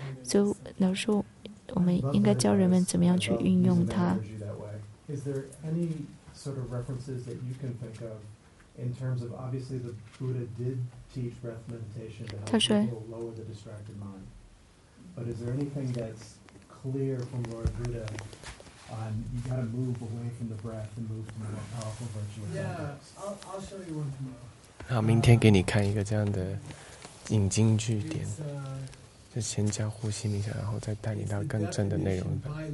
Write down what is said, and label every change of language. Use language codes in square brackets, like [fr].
[zh] 所以老师，我们应该教人们怎么样去运用它。 [en] In terms of obviously the Buddha did teach breath meditation to help people lower the distracted mind. But is there anything that's clear from Lord Buddha on you got to move away from the breath and move to more powerful virtue? Yeah, I'll show you one tomorrow. [zh] 好，明天给你看一个这样的引经据典，就先教呼吸冥想，然后再带你到更正的内容的。